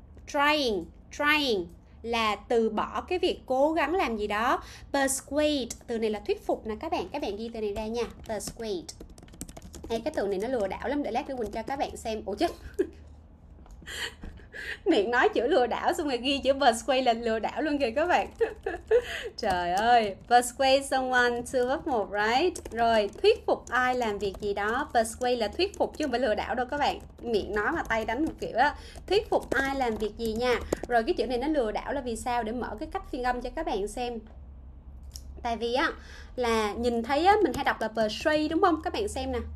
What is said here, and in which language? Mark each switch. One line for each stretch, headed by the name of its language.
Vietnamese: Trying, trying là từ bỏ cái việc cố gắng làm gì đó. Persuade, từ này là thuyết phục nè các bạn ghi từ này ra nha. Persuade. Đây, cái từ này nó lừa đảo lắm, để lát nữa Quỳnh cho các bạn xem. Ủa chứ. Miệng nói chữ lừa đảo xong rồi ghi chữ persuade là lừa đảo luôn kìa các bạn. Trời ơi,
English: persuade someone to work more, right?
Vietnamese: Rồi, thuyết phục ai làm việc gì đó. Persuade là thuyết phục chứ không phải lừa đảo đâu các bạn. Miệng nói mà tay đánh một kiểu á. Thuyết phục ai làm việc gì nha. Rồi cái chữ này nó lừa đảo là vì sao? Để mở cái cách phiên âm cho các bạn xem. Tại vì á, là nhìn thấy á, mình hay đọc là persuade đúng không? Các bạn xem nè.